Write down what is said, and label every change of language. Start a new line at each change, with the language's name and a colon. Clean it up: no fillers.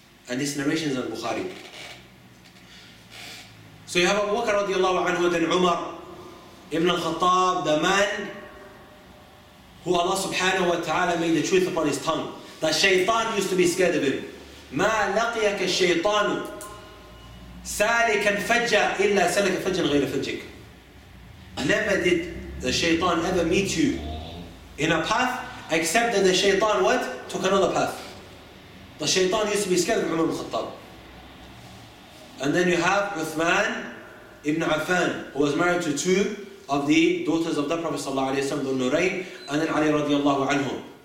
English: And this narration is in Bukhari. So you have Abu Bakr radiallahu anhu, then Umar ibn Khattab, the man who Allah subhanahu wa ta'ala made the truth upon his tongue, that shaytan used to be scared of him.
Arabic: ما لقيك الشيطان سالكا فجا إلا سلك فجا غير فجك.
English: Never did the shaytan ever meet you in a path except that the shaytan what? Took another path. The shaytan used to be scared of Umar ibn Khattab. And then you have Uthman ibn Affan, who was married to two of the daughters of the Prophet sallallahu alayhi wa sallam, Dhul Nurayn, and then Ali radiallahu anhum.